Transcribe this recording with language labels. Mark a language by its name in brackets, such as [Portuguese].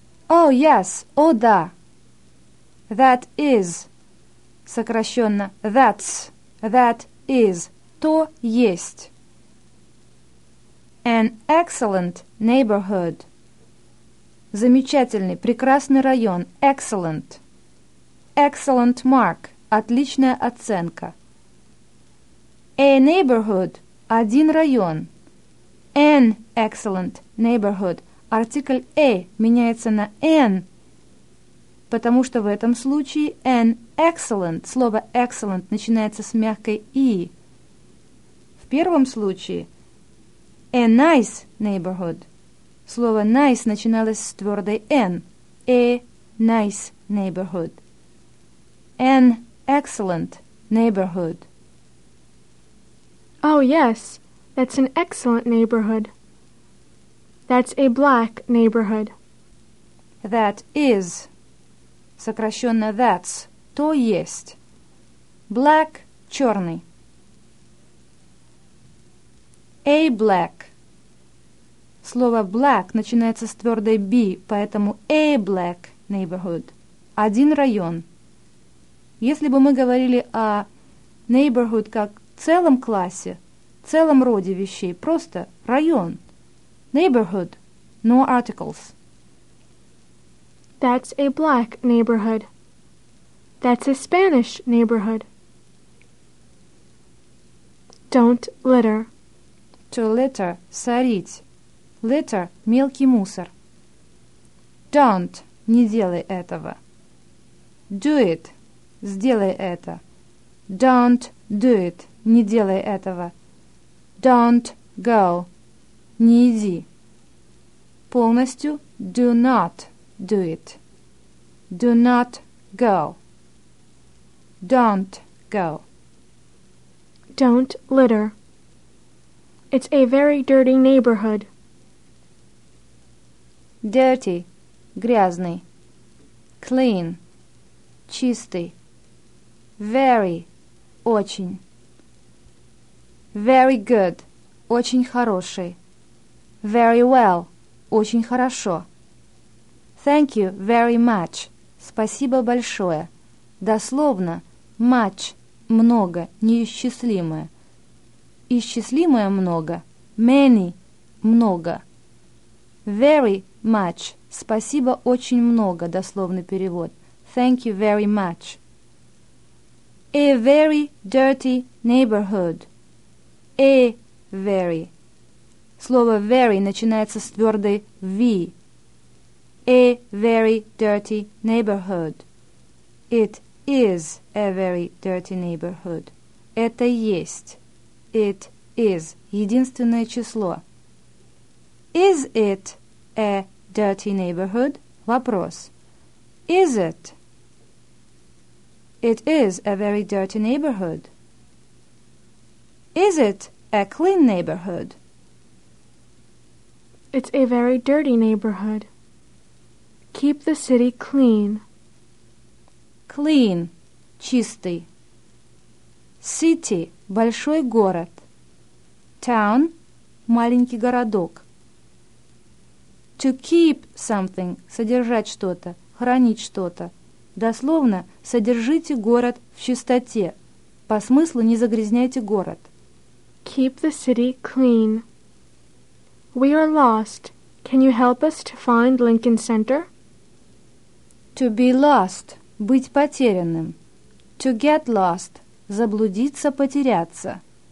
[English] Oh, yes, [Russian] о, да. [English] That is, [Russian] сокращенно, [English] that's, that is, [Russian] то есть. [English] An excellent neighborhood. [Russian] Замечательный, прекрасный район. [English] Excellent. Excellent mark. [Russian] Отличная оценка. [English] A neighborhood. [Russian] Один район. [English] An excellent neighborhood. [Russian] Артикль A меняется на an, потому что в этом случае [English] an excellent. [Russian] Слово excellent начинается с мягкой I. В первом случае [English] a nice neighborhood. [Russian] Слово nice начиналось с твердой N. [English] A nice neighborhood. An excellent neighborhood. Oh, yes, that's an excellent neighborhood. That's a black neighborhood. That is. [Russian] Сокращенно that's. То есть. Black, черный. [English] A black. [Russian] Слово black начинается с твердой B, поэтому [English] a black neighborhood. [Russian] Один район. Если бы мы говорили о neighborhood как целом классе, целом роде вещей, просто район. [English] Neighborhood, no articles. That's a black neighborhood. That's a Spanish neighborhood. Don't litter. To litter, [Russian] сорить. Litter – мелкий мусор. Don't – не делай этого. [English] Do it [Russian] – сделай это. [English] Don't do it [Russian] – не делай этого. [English] Don't go – [Russian] не иди. Полностью [English] – do not do it. Do not go. Don't go. Don't litter. It's a very dirty neighborhood. Dirty – [Russian] грязный. [English] Clean – [Russian] чистый. [English] Very – [Russian] очень. [English] Very good – [Russian] очень хороший. [English] Very well – [Russian] очень хорошо. [English] Thank you very much – [Russian] спасибо большое. Дословно – much – много, неисчислимое. Исчислимое – много. Many – много. [English] Very – much. [Russian] Спасибо очень много. Дословный перевод. [English] Thank you very much. A very dirty neighborhood. A very. [Russian] Слово very начинается с твердой V. [English] A very dirty neighborhood. It is a very dirty neighborhood. [Russian] Это есть. [English] It is. [Russian] Единственное число. [English] Is it a dirty neighborhood? [Russian] Вопрос. [English] Is it? It is a very dirty neighborhood. Is it a clean neighborhood? It's a very dirty neighborhood. Keep the city clean. Clean, [Russian] чистый. City, большой город. Town, маленький городок. [English] To keep something [Russian] – содержать что-то, хранить что-то. Дословно – содержите город в чистоте. По смыслу – не загрязняйте город. [English] Keep. keep the city clean. We are lost. Can you help us to find Lincoln Center? To be lost, [Russian] быть потерянным. [English] To get lost, [Russian] заблудиться, потеряться.